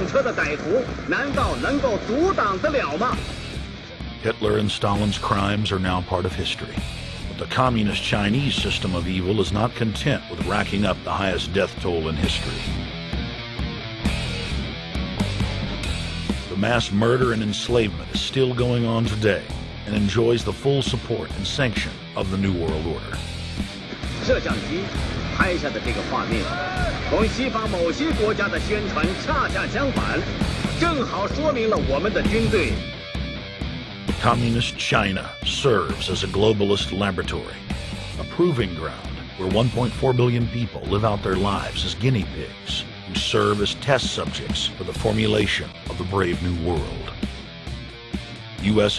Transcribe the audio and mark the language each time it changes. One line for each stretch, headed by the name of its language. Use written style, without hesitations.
Chinese: 所有堂子的人都被害死了。如果我们的铁骑继续前进，这个螳臂挡车的歹徒难道能够阻挡得了吗？
English: Hitler and Stalin's crimes are now part of history, but the communist Chinese system of evil is not content with racking up the highest death toll in history. The mass murder and enslavement is still going on today and enjoys the full support and sanction of the New World Order.
Chinese: 摄像机拍下的这个画面，同西方某些国家的宣传恰恰相反，正好说明了我们的军队
English: Communist China serves as a globalist laboratory, a proving ground where 1.4 billion people live out their lives as guinea pigs who serve as test subjects for the formulation of the brave new world. U.S.